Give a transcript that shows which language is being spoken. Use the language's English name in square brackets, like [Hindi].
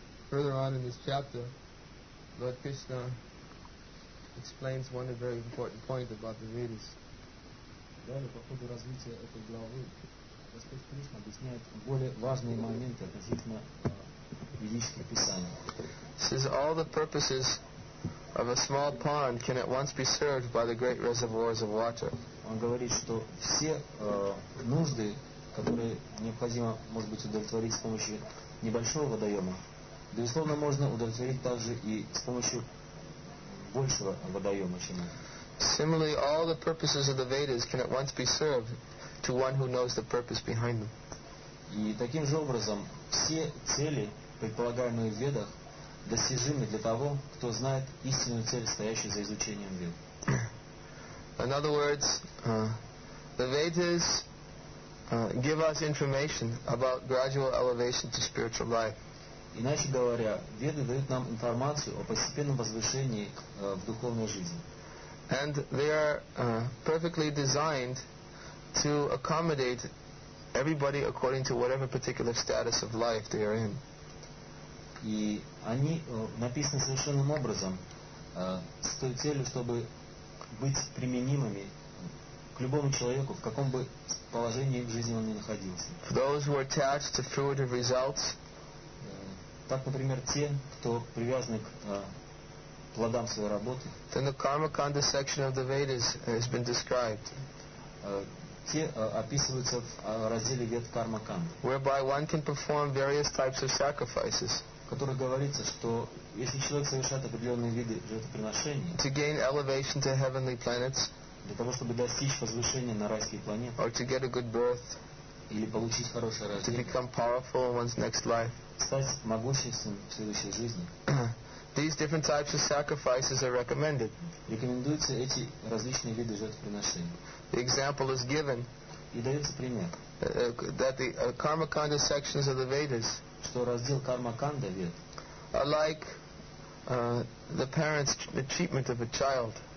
[English] Further on in this chapter, Lord Krishna explains one very important point about the Vedas. [Russian] Далее, по ходу развития этой главы, Господь Кришна объясняет более важные моменты относительно ведических писаний. [English] Says all the purposes of a small pond can at once be served by the great reservoirs of water. [Russian] Он говорит, что все нужды, которые необходимо, может быть, удовлетворить с помощью небольшого водоема, безусловно, можно удовлетворить также и с помощью большего водоема, чем это. [English] Similarly, all the purposes of the Vedas can at once be served to one who knows the purpose behind them. [Russian] И таким же образом все цели, предполагаемые в Ведах, достижимы для того, кто знает истинную цель, стоящую за изучением Вед. [English] In other words, the Vedas give us information about gradual elevation to spiritual life. [Russian] Иначе говоря, Веды дают нам информацию о постепенном возвышении в духовной жизни. [English] And they are perfectly designed to accommodate everybody according to whatever particular status of life they are in. [Russian] И они написаны совершенным образом с той целью, чтобы быть применимыми к любому человеку, в каком бы положении в жизни он ни находился. [English] For those who are attached to fruitive results. [Russian] Так, например, те, кто привязаны к плодам своей работы. [English] Then the Karmakanda section of the Vedas has been described. [Russian] Те описываются в разделе Вед Кармаканда. [English] Whereby one can perform various types of sacrifices. [Russian] В которых говорится, что если человек совершает определенные виды жертвоприношений. [English] To gain elevation to heavenly planets. [Russian] Для того, чтобы достичь возвышения на райские планеты. [English] Or to get a good birth. [Russian] Или получить хорошее рождение. [English] To become powerful in one's next life. [Russian] Стать могущественным в следующей жизни. [English] These different types of sacrifices are recommended. [Russian] Рекомендуются эти различные виды жертвоприношений. [English] The example is given. [Russian] И дается пример. [English] That the Karmakanda sections of the Vedas. [Russian] Что раздел Кармаканда Вед. [English] Are like the parents' the treatment of a child.